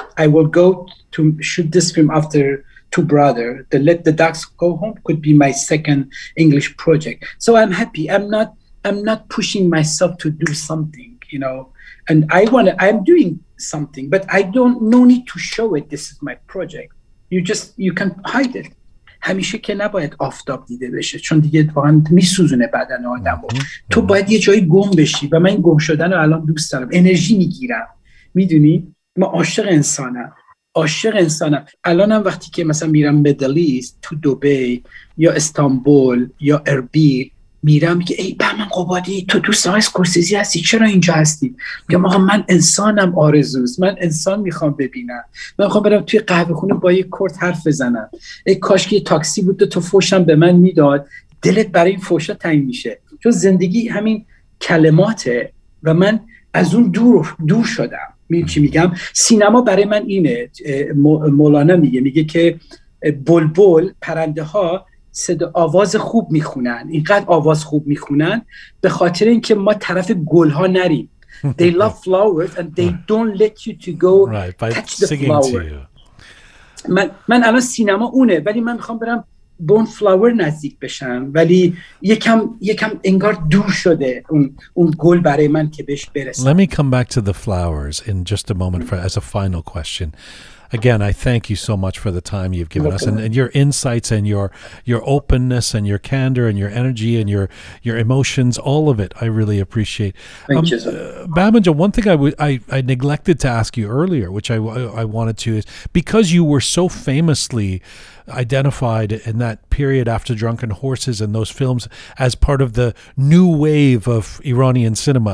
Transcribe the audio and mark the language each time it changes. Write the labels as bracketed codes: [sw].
[en] I will go to shoot this film after Two Brothers. The Let the Dogs Go Home could be my second English project. So I'm happy. I'm not pushing myself to do something, you know, and I'm doing something, but I don't, no need to show it. This is my project. You can hide it. [fa] همیشه که نباید آفتاب دیده بشه، چون دیگه واقعا میسوزونه بدن آدمو. تو باید یه جایی گم بشی و من گم شدن رو الان دوست دارم. انرژی میگیرم. میدونی؟ من عاشق انسانم. عاشق انسانم. الانم وقتی که مثلا میرم مدلیست تو دبی یا استانبول یا اربیل، میرم که ای بهمن قبادی، تو دوست آقای اسکورسیزی هستی، چرا اینجا هستی؟ میگم آقا من انسانم، آرزوست، من انسان میخوام ببینم، من میخوام برم توی قهوه خونه با یه کرد حرف بزنم، ای کاش که یه تاکسی بود تو فوشم به من میداد. دلت برای این فوشا تنگ میشه، چون زندگی همین کلماته و من از اون دور شدم. میگم چی میگم؟ سینما برای من اینه. مولانا میگه که بلبل، پرنده ها صدا آواز خوب میخونن، اینقدر آواز خوب میخونن به خاطر اینکه ما طرف گلها نریم. [en] They love flowers and they don't let you to go right, touch the flower. [fa] من الان سینما اونه، ولی من میخوام برم بون فلاور نزدیک بشم، ولی یکم انگار دور شده اون گل برای من که بهش برسم. [en] Let me come back to the flowers in just a moment as a final question. Again, I thank you so much for the time you've given us, and your insights and your openness and your candor and your energy and your emotions, all of it, I really appreciate. Thank you, Bahmanjo, one thing I neglected to ask you earlier, which I wanted to, is because you were so famously identified in that period after Drunken Horses and those films as part of the new wave of Iranian cinema.